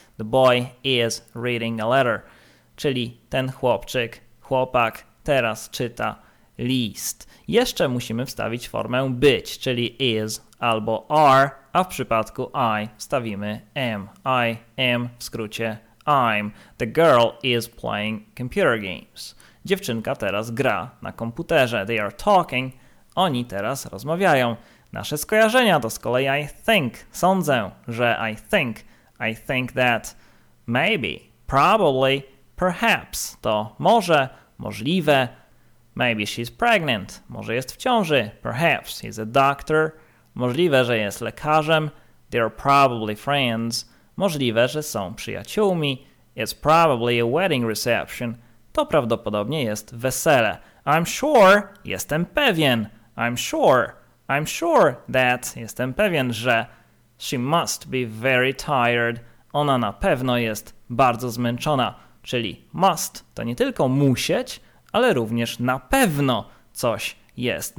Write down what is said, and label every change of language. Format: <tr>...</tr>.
<en>The boy is reading a letter,</en> <pl>czyli ten chłopczyk, chłopak teraz czyta list. Jeszcze musimy wstawić formę być, czyli is albo are, a w przypadku I wstawimy am.</pl> <en>I am w skrócie I'm. The girl is playing computer games.</en> <pl>Dziewczynka teraz gra na komputerze.</pl> <en>They are talking.</en> <pl>Oni teraz rozmawiają. Nasze skojarzenia to z kolei</pl> <en>I think.</en> <pl>Sądzę, że</pl> <en>I think that maybe, probably, perhaps.</en> <pl>To może, możliwe.</pl> <en>Maybe she's pregnant.</en> <pl>Może jest w ciąży.</pl> <en>Perhaps he's a doctor.</en> <pl>Możliwe, że jest lekarzem.</pl> <en>They're probably friends.</en> <pl>Możliwe, że są przyjaciółmi.</pl> <en>It's probably a wedding reception.</en> <pl>To prawdopodobnie jest wesele.</pl> <en>I'm sure.</en> <pl>Jestem pewien.</pl> <en>I'm sure. I'm sure that.</en> <pl>Jestem pewien, że.</pl> <en>She must be very tired.</en> <pl>Ona na pewno jest bardzo zmęczona. Czyli must to nie tylko musieć, ale również na pewno coś jest.</pl>